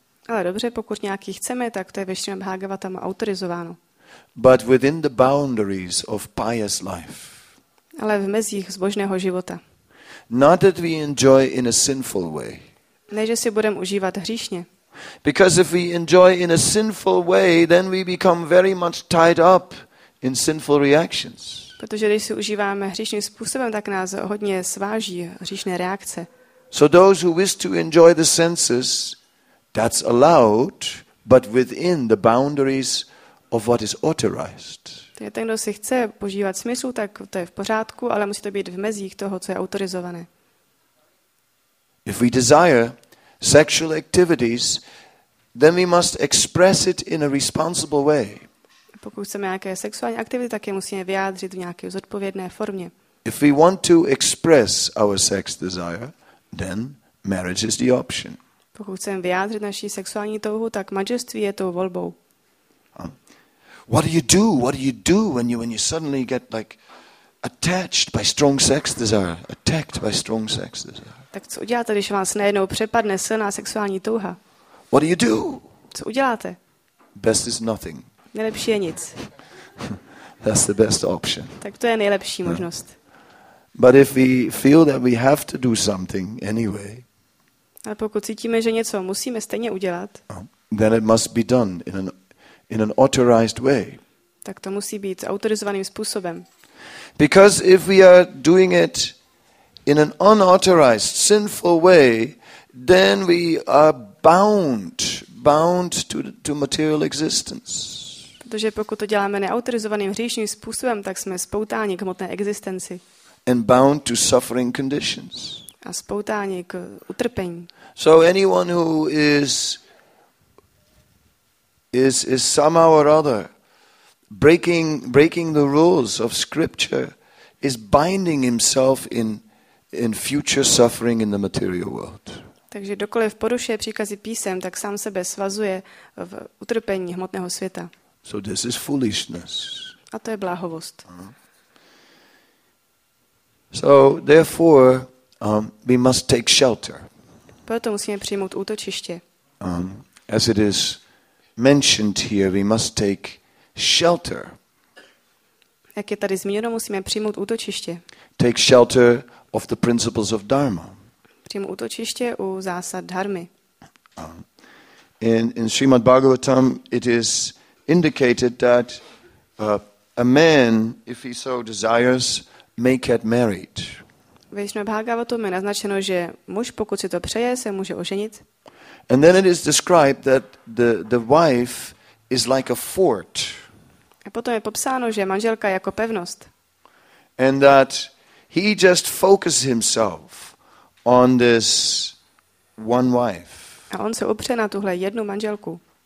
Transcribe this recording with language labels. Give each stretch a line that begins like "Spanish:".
Czech: Ale dobře, pokud nějaký chceme, tak to je ve Srimad Bhagavatam autorizováno.
English: But within the boundaries of pious life.
Czech: Ale v mezích zbožného života.
English: Not that we enjoy in a sinful way.
Czech: Ne, že si budeme užívat hříšně.
English: Because if we enjoy in a sinful way, then we become very much tied up in sinful reactions.
Czech: Protože když si užíváme hříšným způsobem, tak nás hodně sváží hříšné reakce.
English: So those who wish to enjoy the senses, that's allowed, but within the boundaries of what is authorized.
Czech: Ten, kdo si chce požívat smyslu, tak to je v pořádku, ale musí to být v mezích toho, co je autorizované.
English: If we desire sexual activities, then we must express it in a responsible way.
Czech: Pokud chceme nějaké sexuální aktivity, tak je musíme vyjádřit v nějaké zodpovědné formě.
English: If we want to express our sex desire, then marriage is the option.
Czech: Pokud chceme vyjádřit naši sexuální touhu, tak manželství je tou volbou.
English: What do you do? What do you do when you suddenly get like attached by strong sex desire? Attacked by strong sex desire.
Czech: Tak co uděláte, když vás najednou přepadne silná sexuální touha?
English: What do you do?
Czech: Co uděláte?
English: Best is nothing.
Czech: Nejlepší je nic.
English: That's the best option.
Czech: Tak to je nejlepší možnost.
English: But if we feel that we have to do something anyway.
Czech: Ale pokud cítíme, že něco musíme stejně udělat.
English: Then it must be done in an authorized way.
Czech: Tak to musí být autorizovaným způsobem.
English: Because if we are doing it in an unauthorized sinful way, then we are bound to material existence.
Czech: Protože pokud to děláme neautorizovaným hříšným způsobem, tak jsme spoutáni k hmotné existenci.
English: And bound to suffering conditions.
Czech: A spoutáni k utrpení.
English: So anyone who is somehow or other breaking the rules of scripture is binding himself in future suffering in the material world.
Czech: Takže kdokoliv porušuje příkazy písem, tak sám sebe svazuje v utrpení hmotného světa.
English: So this is foolishness.
Czech: A to je bláhovost.
English: So therefore, we must take shelter.
Czech: Proto musíme přijmout útočiště.
English: As it is mentioned here, we must take shelter.
Czech: Jak je tady zmíněno, musíme přijmout útočiště.
English: Take shelter of the principles of dharma.
Czech: Přijmout útočiště u zásad dharmy.
English: In Srimad Bhagavatam it is indicated that a man, if he so desires, may get married.
Czech: Ve Srimad Bhagavatam je naznačeno, že muž, pokud si to přeje, se může oženit.
English: And then it is described that the wife is like a fort.
Czech: A potom je popsáno, že manželka je jako pevnost.
English: And that he just focuses himself on this one wife.
Czech: A on se opře na tuhle jednu manželku.